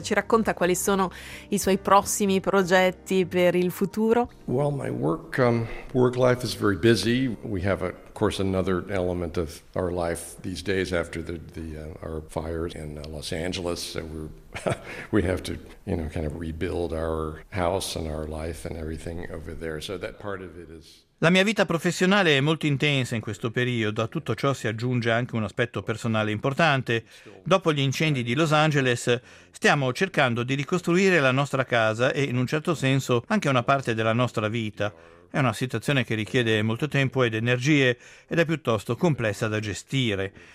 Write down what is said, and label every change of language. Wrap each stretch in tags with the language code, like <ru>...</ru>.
<it>Ci racconta quali sono i suoi prossimi progetti per il futuro?</it> <en>Well, my work life is very busy. We have of course, another element of our life these days after our fires in Los Angeles, so we have to, you know, kind of rebuild our house and our life and everything over there. So that part of it is.</en> <it>La mia vita professionale è molto intensa in questo periodo. A tutto ciò si aggiunge anche un aspetto personale importante. Dopo gli incendi di Los Angeles, stiamo cercando di ricostruire la nostra casa e, in un certo senso, anche una parte della nostra vita. È una situazione che richiede molto tempo ed energie ed è piuttosto complessa da gestire.</it>